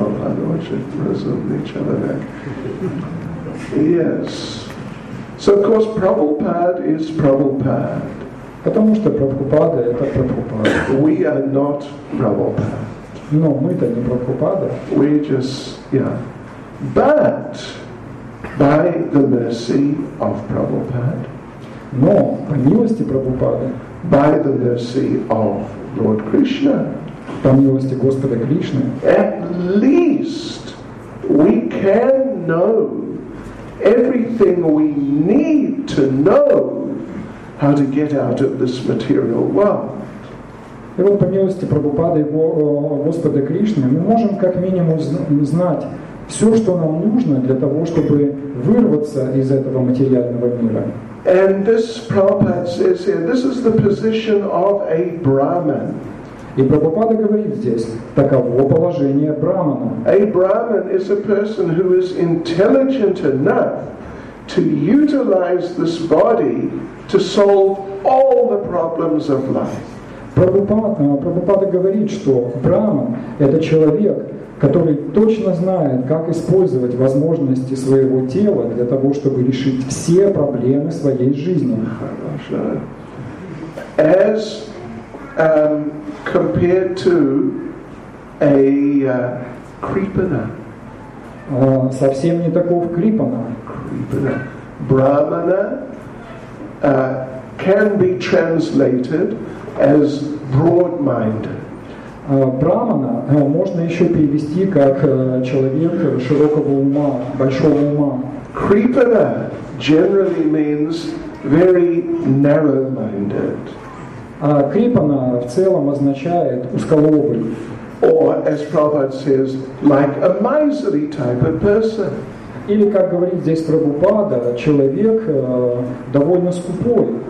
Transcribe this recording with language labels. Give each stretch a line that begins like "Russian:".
Russian: Прабхупада очень разумный человек.
English: Yes. So, of course, Prabhupada is Prabhupada.
Russian: Потому что Прабхупада это Прабхупада.
English: We are not Prabhupada.
Russian: Но мы-то не Прабхупада.
English: We just, yeah. But by the mercy of Prabhupada.
Russian: Но по милости Прабхупады.
English: By the mercy of Lord Krishna.
Russian: По милости Господа Кришны.
English: At least we can know everything we need to know how to get out of this material world.
Russian: И вот по милости Прабхупады и Господа Кришны мы можем как минимум знать все, что нам нужно для того, чтобы вырваться из этого материального мира.
English: And this Prabhupada says here, this is the position of a Brahman.
Russian: И Прабхупада говорит здесь, таково положение Брахмана.
English: A Brahman is a person who is intelligent enough to utilize this body to solve all the problems of life.
Russian: Прабхупада говорит, что Брахман – это человек, который точно знает, как использовать возможности своего тела для того, чтобы решить все проблемы своей жизни.
English: As compared to a Kripana.
Russian: Совсем не таков Крипана.
English: Brahmana can be translated as broad-minded.
Russian: Брахмана можно еще перевести как человек широкого ума, большого ума.
English: Kripana generally means very narrow-minded.
Russian: Kripana в целом означает узколобый.
English: Or, as Prabhupada says, like a miserly type of person.
Russian: Или, как говорит здесь Прабхупада, человек довольно скупой.